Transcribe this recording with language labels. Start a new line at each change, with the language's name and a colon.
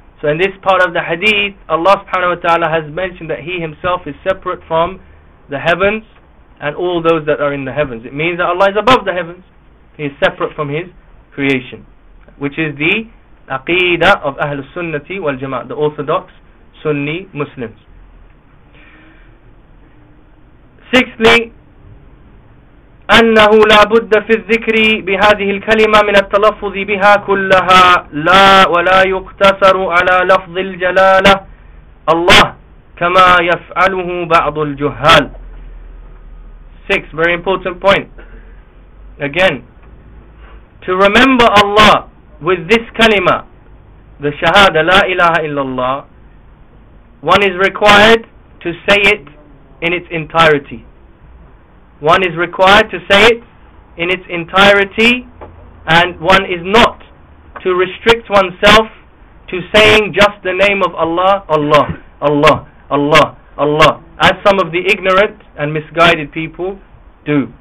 English: So in this part of the hadith, Allah subhanahu wa ta'ala has mentioned that He Himself is separate from the heavens and all those that are in the heavens. It means that Allah is above the heavens. He is separate from His creation, which is the aqeedah of Ahl Sunnati wal Jama'ah, the Orthodox Sunni Muslims. Sixthly,
Arabic: أنه لا بد في الذكر بهذه الكلمة من التلفظ بها كلها لا ولا يقتصر على لفظ الجلالة الله كما يفعله بعض الجهال.
English: Six, very important point. Again, to remember Allah with this kalima, the shahada, la ilaha illallah, one is required to say it in its entirety. One is required to say it in its entirety, and one is not to restrict oneself to saying just the name of Allah, Allah, Allah, Allah, Allah, as some of the ignorant and misguided people do.